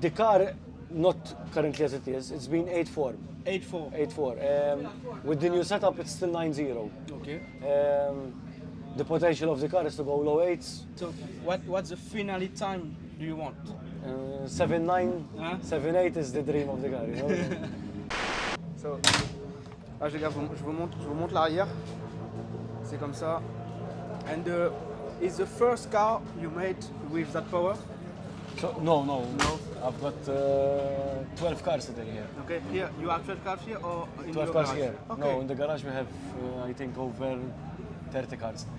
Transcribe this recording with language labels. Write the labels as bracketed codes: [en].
[en] The car, not currently as it is, it's been 8.4. 8.4. With the new setup, it's still 9.0. Okay. The potential of the car is to go low 8s. So what's the finale time do you want? 7.9, 7.8 is the dream of the car, you know? [fr] So, là, les gars, je vous montre l'arrière. C'est comme ça. [en] And is the first car you made with that power? So no. I've got 12 cars today here. Okay, here you have 12 cars here or in 12 your cars garage? Here. Okay. No, in the garage we have I think over 30 cars.